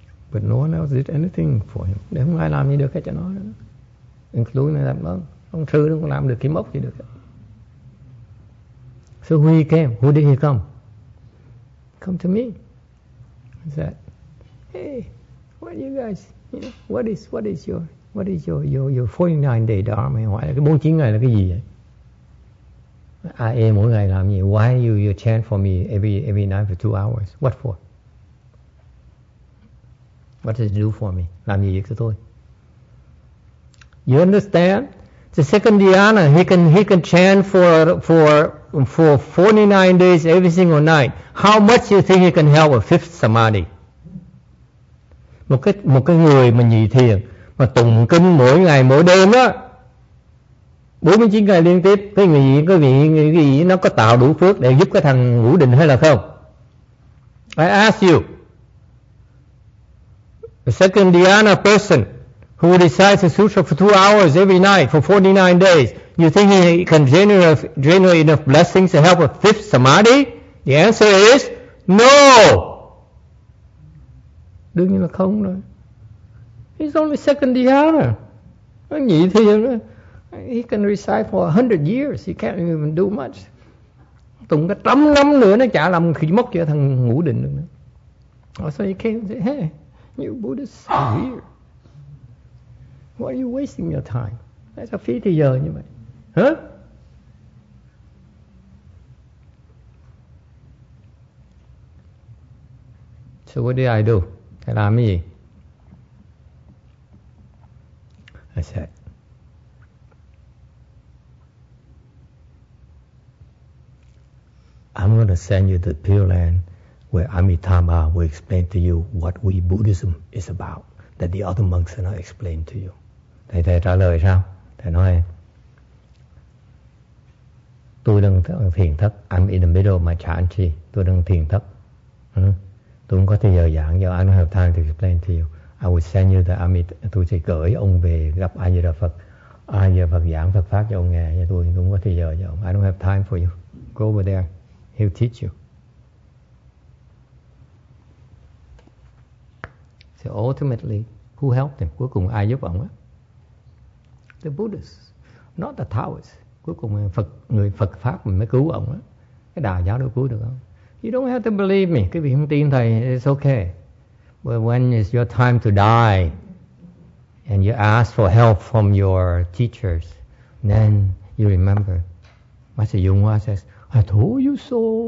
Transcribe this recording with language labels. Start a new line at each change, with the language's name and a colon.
English: But no one else did anything for him.
Vietnamese: Để không ai làm gì được hết cho nó.
English: Including that monk.
Vietnamese: Ông sư nó cũng làm được cái mốc gì được.
English: So who he came? Who did he come? Come to me. He said, hey, what are you guys? You know, what is your 49 day dharma? Why?
Vietnamese: Cái 49 ngày là cái gì vậy? Ai em mỗi ngày làm gì?
English: Why you chant for me every night for 2 hours? What for? What does it do for me?
Vietnamese: Làm gì cho tôi?
English: You understand? The second dhyana, he can chant for 49 days every single night. How much do you think he can help a fifth samadhi?
Vietnamese: Một cái người mà nhị thiền mà tụng kinh mỗi ngày mỗi đêm á, 49 ngày liên tiếp, cái vị nó có tạo đủ phước để giúp cái thằng ngũ định hay là không?
English: I ask you, the second dhyana person who recites a sutra for 2 hours every night for 49 days, you think he can generate enough blessings to help a fifth samadhi? The answer is no.
Vietnamese: Đương nhiên là không rồi.
English: He's only second dhyana. Nhị thiền, he can recite for 100 years. He can't even do much.
Vietnamese: Tụng cái 100 năm nữa nó chả làm khi mốc cho thằng ngũ định được nữa.
English: So he came and said, hey, you Buddhists are here. Why are you wasting your time? That's a
Vietnamese: phí thời giờ như vậy.
English: Huh? So what did I do?
Vietnamese: Thầy làm cái gì?
English: I said, I'm going to send you to the Pure Land where Amitabha will explain to you what we Buddhism is about that the other monks cannot explain to you.
Vietnamese: Thầy trả lời sao? Thầy nói, tôi đang thiền thất,
English: I'm in the middle of my chantry,
Vietnamese: tôi đang thiền thất. Tôi không có thời giờ giảng,
English: do I don't have time to explain to you. I will send you the Amitabha,
Vietnamese: tôi sẽ gửi ông về gặp A Di Đà Phật. A Di Đà Phật giảng Phật Pháp cho ông nghe, cho tôi không có thời giờ cho ông.
English: I don't have time for you. Go over there, he'll teach you. So ultimately, who helped him?
Vietnamese: Cuối cùng ai giúp ông á?
English: The Buddhists, not the Taoists.
Vietnamese: Cuối cùng Phật, người Phật Pháp mình mới cứu ông á. Cái đạo giáo đâu cứu được không?
English: You don't have to believe me.
Vietnamese: Cái vị không tin thầy,
English: it's okay. But when it's your time to die and you ask for help from your teachers, then you remember. Master Yung Hoa says, I told you so.